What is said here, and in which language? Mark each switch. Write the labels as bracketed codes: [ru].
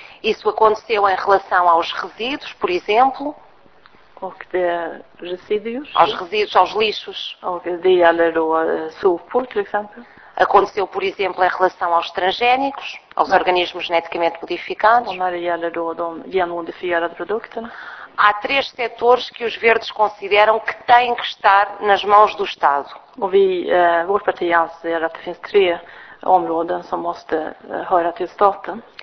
[pt] Isso aconteceu em relação aos resíduos, por exemplo. [sv] Och det residuos. [pt] Aos resíduos, aos lixos. [sv] Och det gäller då sopor, till exempel. [pt] Aconteceu, por exemplo, em relação aos transgénicos, aos organismos geneticamente modificados. Ou [sv] när det gäller då de genmodifierade produkterna. [pt] Há três setores que os verdes consideram que têm que estar nas mãos do Estado. [sv] Och vi, vårt parti anser att det finns tre områden som måste höra till staten.